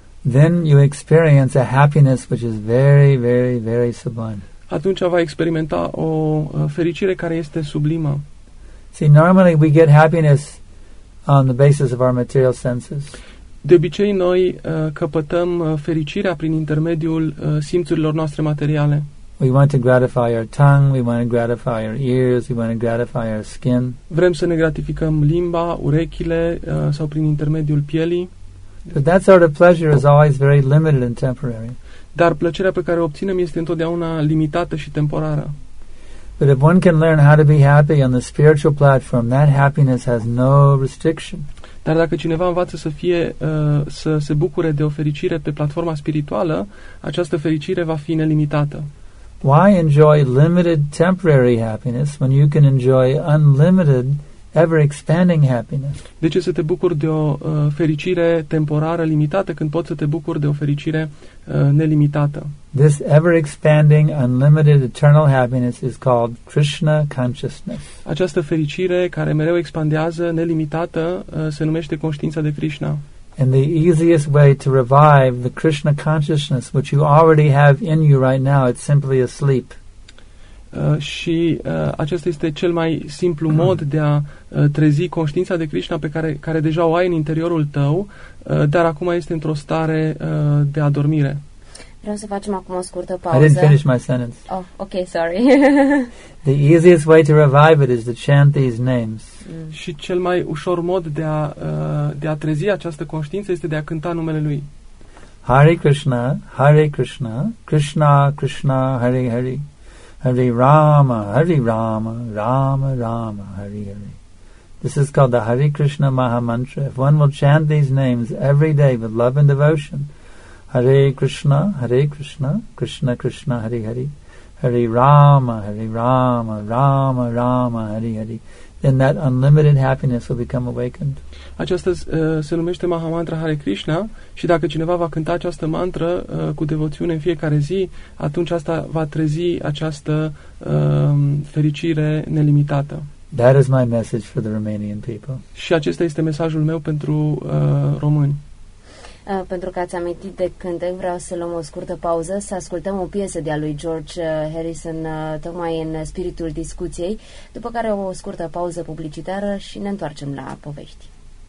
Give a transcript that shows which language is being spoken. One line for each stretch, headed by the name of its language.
English: then you experience a happiness which is very, very, very sublime.
Romanian: Atunci va experimenta o fericire care este sublimă.
English: See, normally we get happiness on the basis of our material senses.
Romanian: De obicei, noi căpătăm fericirea prin intermediul simțurilor noastre materiale.
English: We want to gratify our tongue, we want to gratify our ears, we want to gratify our skin.
Romanian: Vrem să ne gratificăm limba, urechile sau prin intermediul pielii.
English: But that sort of pleasure is always very limited and temporary.
Romanian: Dar plăcerea pe care o obținem este întotdeauna limitată și temporară.
English: But if one can learn how to be happy on the spiritual platform, that happiness has no restriction.
Romanian: Dar dacă cineva învață să fie să se bucure de o fericire pe platforma spirituală, această fericire va fi nelimitată.
English: Why enjoy limited temporary happiness when you can enjoy unlimited ever expanding happiness?
Romanian: De ce să te bucuri de o fericire temporară limitată când poți să te bucuri de o fericire nelimitată?
English: This ever expanding unlimited eternal happiness is called Krishna consciousness.
Romanian: Această fericire care mereu expandează nelimitată se numește conștiința de Krishna.
English: And the easiest way to revive the Krishna consciousness, which you already have in you right now, it's simply asleep.
Romanian: Și acesta este cel mai simplu mod de a trezi conștiința de Krishna pe care deja o ai în interiorul tău, dar acum este într-o stare de adormire. Vreau să facem acum o scurtă pauză.
English: I didn't finish my sentence. Oh, okay, sorry. The easiest way to revive it is to chant these names.
Romanian: Și cel mai ușor mod de a trezi această conștiință este de a cânta numele lui.
Sanskrit: Hare Krishna, Hare Krishna, Krishna Krishna, Hare Hare. Hare Rama, Hare Rama, Rama Rama, Hare Hare.
English: This is called the Hare Krishna Maha Mantra. If one will chant these names every day with love and devotion,
Sanskrit: Hare Krishna, Krishna Krishna, Hare Hare. Hare Rama, Hare Rama, Rama Rama, Hare Hare.
English: Then that unlimited happiness will become awakened.
Romanian: Aceasta se numește Maha Mantra Hare Krishna și dacă cineva va cânta această mantră cu devoțiune în fiecare zi, atunci asta va trezi această fericire nelimitată.
English: That is my message for the Romanian people.
Romanian: Și acesta este mesajul meu pentru români. Pentru că ați amintit de cântec, vreau să luăm o scurtă pauză, să ascultăm o piesă de-a lui George Harrison, tocmai în spiritul discuției, după care o scurtă pauză publicitară și ne întoarcem la povești.